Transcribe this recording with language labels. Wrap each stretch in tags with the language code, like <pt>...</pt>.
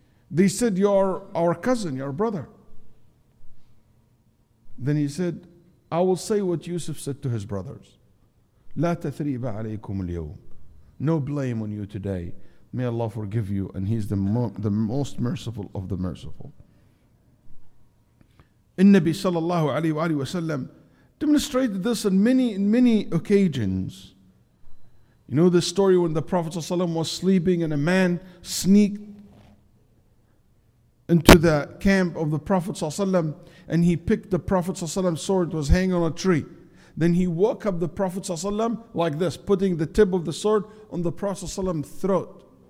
<en>They said, you are our cousin, your brother. Then he said, I will say what Yusuf said to his brothers.</en> <ar>لَا تَثْرِيبَ عَلَيْكُمُ الْيَوْمِ.</ar> <en>No blame on you today. May Allah forgive you. And he's the most merciful of the merciful.</en> <ar>النبي صلى الله عليه وآله وسلم</ar> <en>demonstrated this on many occasions. You know the story when the Prophet ﷺ was sleeping and a man sneaked into the camp of the Prophet ﷺ and he picked the Prophet ﷺ's sword, was hanging on a tree. Then he woke up the Prophet ﷺ like this, putting the tip of the sword on the Prophet ﷺ's throat.</en>